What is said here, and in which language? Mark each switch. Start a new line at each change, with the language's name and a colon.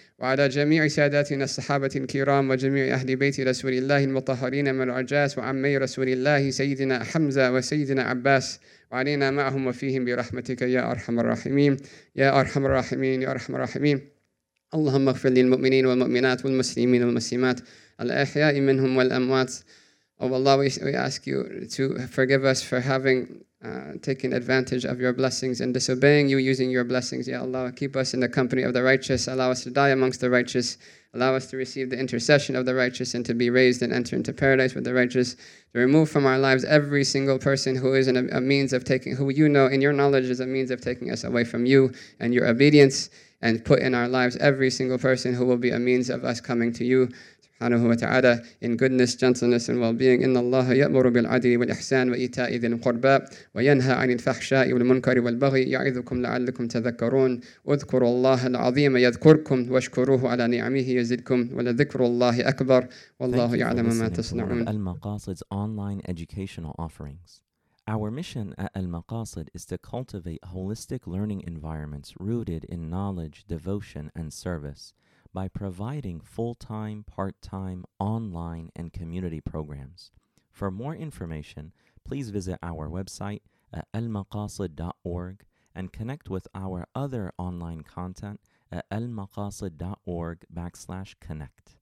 Arabic: وعلى جميع ساداتنا الصحابة الكرام وجميع أهل بيت رسول الله المطهرين من العجاس وعمي رسول الله سيدنا حمزة وسيدنا عباس وعلينا معهم وفيهم برحمتك يا أرحم الراحمين يا أرحم الراحمين يا أرحم الراحمين اللهم اغفر للمؤمنين والمؤمنات والمسلمين والمسلمات الأحياء منهم والأموات.
English: Oh Allah, we ask you to forgive us for having taken advantage of your blessings and disobeying you using your blessings. Ya Allah, keep us in the company of the righteous. Allow us to die amongst the righteous. Allow us to receive the intercession of the righteous and to be raised and enter into paradise with the righteous. To remove from our lives every single person who is a means of taking, who you know in your knowledge is a means of taking us away from you and your obedience. And put in our lives every single person who will be a means of us coming to you.
Arabic: سبحانه وتعالى
English: in goodness, gentleness, and well-being.
Arabic: إن الله يأمر بالعدل والإحسان وإيتاء ذي القربى وينهى عن الفحشاء والمنكر والبغي يعظكم لعلكم تذكرون. اذكروا الله العظيم يذكركم واشكروه على نعمه يزدكم ولذكر الله أكبر والله يعلم ما تصنعون.
English: المقاصد online educational offerings. Our mission at Al-Maqasid is to cultivate holistic learning environments rooted in knowledge, devotion, and service by providing full-time, part-time, online, and community programs. For more information, please visit our website at almaqasid.org and connect with our other online content at almaqasid.org/connect.